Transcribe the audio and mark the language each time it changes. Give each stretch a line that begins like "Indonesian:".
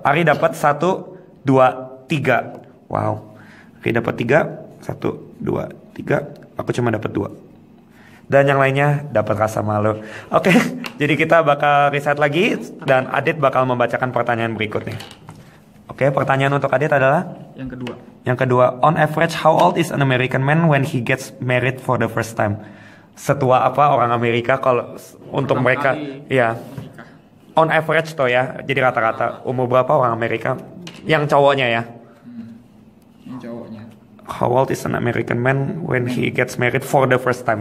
Indonesian: Ari dapat 1 2 3. Wow. Ari dapat 3, 1 2 3. Aku cuma dapat 2. Dan yang lainnya dapat rasa malu. Oke, jadi kita bakal reset lagi dan Adit bakal membacakan pertanyaan berikutnya. Oke, pertanyaan untuk Adit adalah yang kedua. Yang kedua,
English: on average how old is an American man when he gets married for the first time?
Indonesian: Setua apa orang Amerika kalau untuk mereka ya.
English: On average
Indonesian: toh ya. Jadi rata-rata umur berapa orang Amerika yang cowoknya ya?
English: How old is an American man when he gets married for the first time?